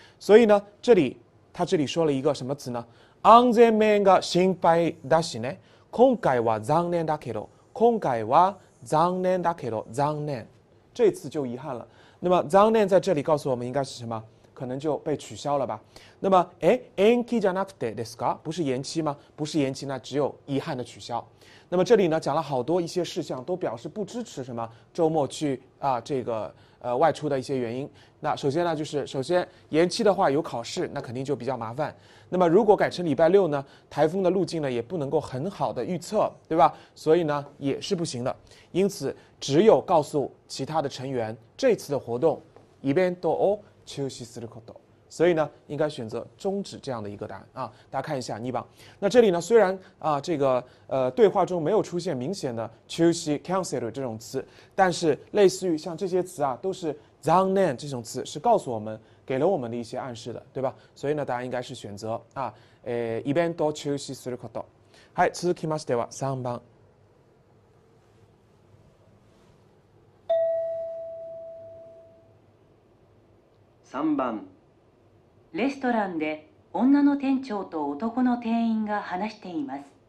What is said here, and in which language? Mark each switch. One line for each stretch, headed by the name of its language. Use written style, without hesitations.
Chinese: 所以呢，他这里说了一个什么词呢？
Japanese: 安全面が心配だしね。今回は残念だけど。今回は残念だけど。残念。
Chinese: 这次就遗憾了。那么残念在这里告诉我们应该是什么？可能就被取消了吧。那么，哎，
Japanese: 延期じゃなくてですか？
Chinese: 不是延期吗？不是延期，那只有遗憾的取消。那么这里呢，讲了好多一些事项，都表示不支持什么周末去啊，这个外出的一些原因。那首先呢，就是首先延期的话有考试，那肯定就比较麻烦。那么如果改成礼拜六呢，台风的路径呢也不能够很好的预测，对吧？所以呢也是不行的。因此只有告诉其他的成员这次的活动
Japanese: イベントを中止すること。
Chinese: 所以呢应该选择终止这样的一个答案啊。大家看一下2番。那这里呢虽然啊这个对话中没有出现明显的中止 cancel 这种词，但是类似于像这些词啊都是残念这种词，是告诉我们给了我们的一些暗示的，对吧？所以呢答案应该是选择啊
Japanese: イベント中止すること。はい、続きましては3番。 3番。レストランで女の店長と男の店員が話しています。